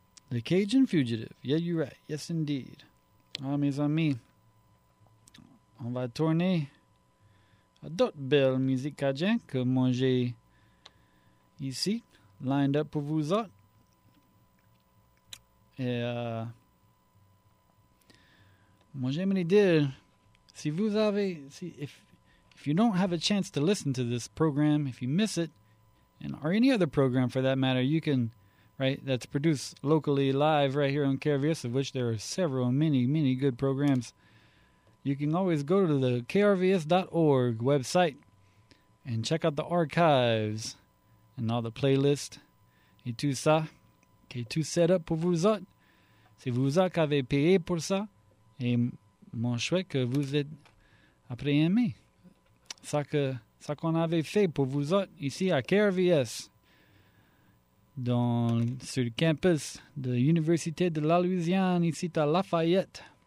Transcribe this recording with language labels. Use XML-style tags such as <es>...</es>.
<en>The Cajun Fugitive. Yeah, you're right. Yes, indeed.</en> <fr>Ah, mes amis, on va tourner à d'autres belles musiques cajun que moi j'ai ici.</fr> <en>Lined up</en> <fr>pour vous autres. Et moi, j'aimerais dire, si vous avez,</fr> <en>if you don't have a chance to listen to this program, if you miss it, and or any other program for that matter, you can, right, that's produced locally live right here on KRVS, of which there are several, many, many good programs. You can always go to the KRVS.org website and check out the archives and all the playlists.</en> <fr>Et tout ça, que tout set up pour vous autres. Si vous autres avez payé pour ça, et mon chouette que vous êtes après aimé. Ça qu'on avait fait pour vous autres ici à KRVS, dans, sur le campus de l'Université de la Louisiane, ici à Lafayette.</fr>